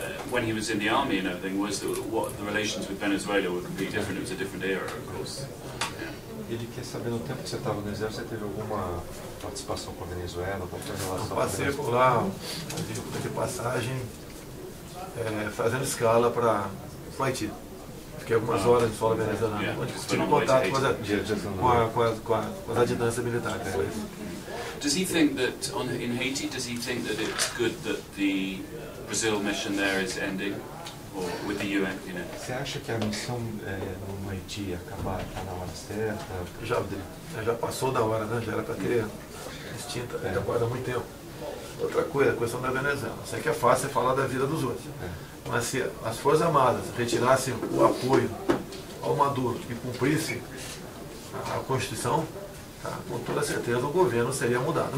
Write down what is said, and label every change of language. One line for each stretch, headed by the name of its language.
English: When he was in the army and everything, was the relations with Venezuela were completely different. It was a different era, of course.
Portuguese: Ele quer saber, no tempo que você estava no exército, você teve alguma participação com a Venezuela, alguma relação? Eu passei por lá, de passagem, fazendo escala para o Haiti. Fiquei algumas horas de solo venezuelano, onde tive contato com as adidanças militares.
English: Does he think that in Haiti, does he think that it's good that the Brazil mission there is ending? Or with the UN, you know.
Portuguese: Você acha que a missão no Haiti acabar está na hora certa? Já passou da hora, né? Já era para ter extinta, aguarda muito tempo. Outra coisa, a questão da Venezuela. Sei que é fácil falar da vida dos outros. Mas se as Forças Armadas retirassem o apoio ao Maduro e cumprissem a Constituição, tá, com toda certeza o governo seria mudado.